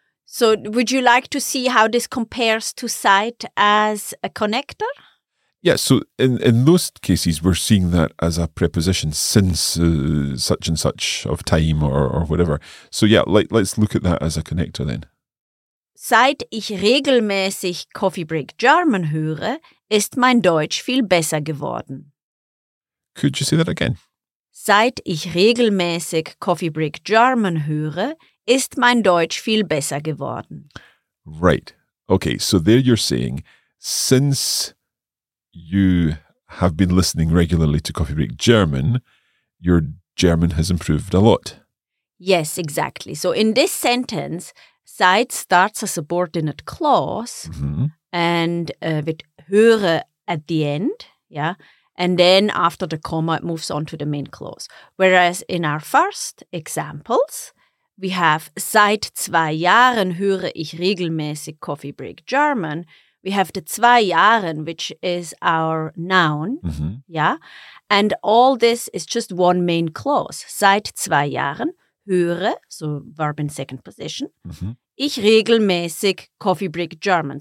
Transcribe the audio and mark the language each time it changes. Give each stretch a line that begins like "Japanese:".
English: So would you like to see how this compares to Zeit as a connector? Yeah, so in those cases, we're seeing that as a preposition, since such and such of time or whatever. So yeah, let's look at that as a connector then.
German: Seit ich regelmäßig Coffee Break German höre, ist mein Deutsch viel besser geworden.
English: Could you say that again?
German: Seit ich regelmäßig Coffee Break German höre, ist mein Deutsch viel besser geworden.
English: Right. Okay, so there you're saying, since you have been listening regularly to Coffee Break German, your German has improved a lot. Yes, exactly. So in this sentence, Zeit starts a subordinate clause, and with höre at the end, yeah? And then after the comma, it moves on to the main clause. Whereas in our first examples, we have
German: seit zwei Jahren höre ich regelmäßig Coffee Break German.
English: We have the
German: zwei Jahren,
English: which is our noun. Mm-hmm. Yeah. And all this is just one main clause.
German: Seit zwei Jahren höre,
English: so verb in second position,
German: ich regelmäßig Coffee Break German.